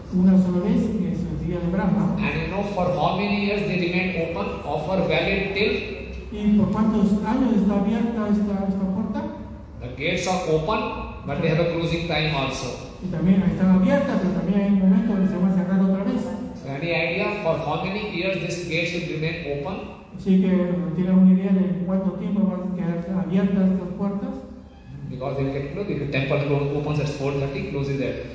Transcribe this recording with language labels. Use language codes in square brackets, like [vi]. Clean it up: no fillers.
[es] Una sola vez en su día de Brahma. [en] And you know for how many years they remain open, offer valid till? [es] ¿Y por cuántos años está abierta esta puerta? [en] The gates are open, but they have a closing time also. [es] Y también están abiertas, pero también hay un momento donde se va a cerrar otra vez. [en] So any idea for how many years this gate should remain open? [es] Así que tiene una idea de cuánto tiempo van a quedar abiertas estas puertas. [en] Because they get closed. If the temple opens at 4:30, closes at